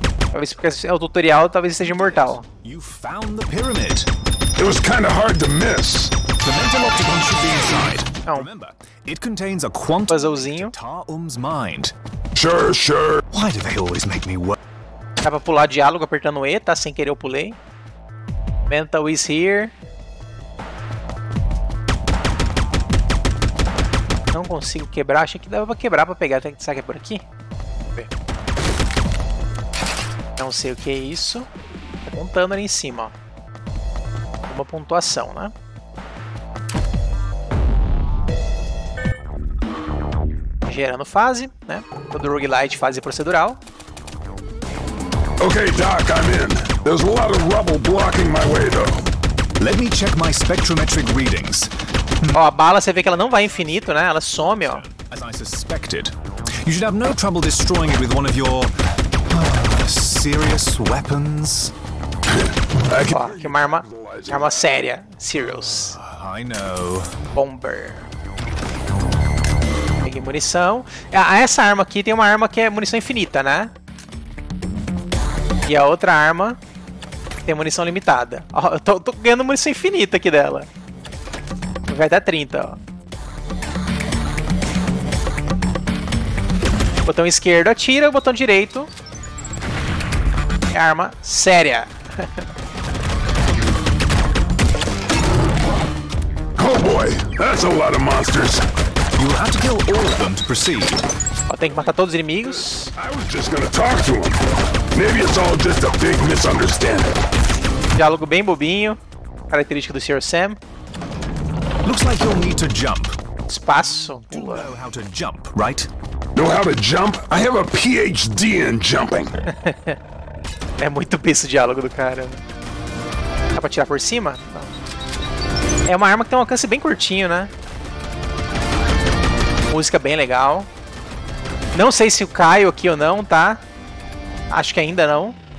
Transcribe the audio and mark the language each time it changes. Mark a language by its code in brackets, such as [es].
[pt] Talvez porque é o tutorial, talvez seja mortal. [en] You found the pyramid. It was kind of hard to miss. The mental octagon should be inside. [pt] Não. [en] Remember, it contains a quantum [pt] puzzlezinho. [en] Ta'um's mind. Sure, sure. Why do they always make me work? [pt] Dá pra pular diálogo apertando E, tá? Sem querer eu pulei. [en] Mental is here. [pt] Não consigo quebrar. Achei que dava pra quebrar pra pegar. Será que é por aqui? Não sei o que é isso. Tá contando ali em cima, ó. Uma pontuação, né? Gerando fase, né? Todo roguelite, fase procedural. [en] Ok, Doc, I'm in. There's a lot of rubble blocking my way, though. Let me check my spectrometric readings. [pt] Ó, a bala, você vê que ela não vai infinito, né? Ela some, ó. [en] As I suspected. You should have no trouble destroying it with one of your serious weapons. [pt] Ó, que uma arma, séria, serious. [en] I know. Bomber. [pt] Peguei munição. Essa arma aqui tem uma arma que é munição infinita, né? E a outra arma tem munição limitada. Ó, eu tô ganhando munição infinita aqui dela. Vai até 30, ó. Botão esquerdo atira, o botão direito é arma séria. [en] Oh boy, that's a lot of monsters. You have to kill all of them to proceed. [pt] Ó, tem que matar todos os inimigos. [en] I was just gonna talk to him. Maybe it's all just a big misunderstanding. [pt] Diálogo bem bobinho, característica do Sr. Sam. [en] Looks like you'll need to jump. [pt] Espaço. [en] You know how to jump, right? Know how to jump? I have a PhD in jumping. [pt] É muito besta o diálogo do cara. Dá pra tirar por cima? Não. É uma arma que tem um alcance bem curtinho, né? Música bem legal. Não sei se eu caio aqui ou não, tá? Acho que ainda não.